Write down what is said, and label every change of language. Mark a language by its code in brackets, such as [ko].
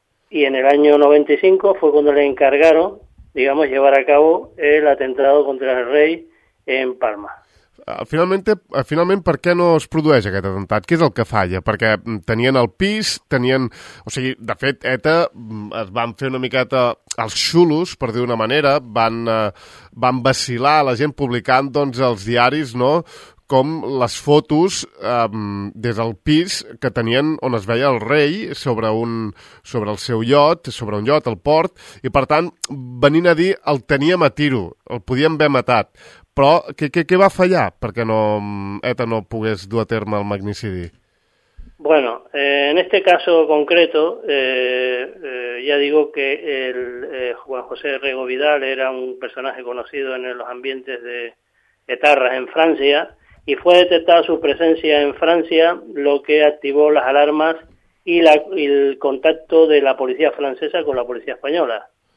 [es] Y en el año 95 fue cuando le encargaron, digamos, llevar a cabo el atentado contra el rey en Palma. [ca] Finalment, per què no es produeix aquest atemptat? Què és el que falla? Perquè tenien el pis, O sigui, de fet, ETA es van fer una miqueta els xulos, per dir d'una manera, van vacilar a la gent publicant, doncs, els diaris, no?, com les fotos des del pis que tenien on es veia el rei sobre el seu iot, sobre un iot, el port, i, per tant, venint a dir, el teníem a tiro, el podíem haver matat. Però què va fallar perquè no ETA no pogués dur a terme el magnicidi? [es] Bueno, en este caso concreto, ya digo que el Juan José Rego Vidal era un personaje conocido en los ambientes de etarras en Francia, y fue detectada su presencia en Francia lo que activó las alarmas y el contacto de la policía francesa con la policía española.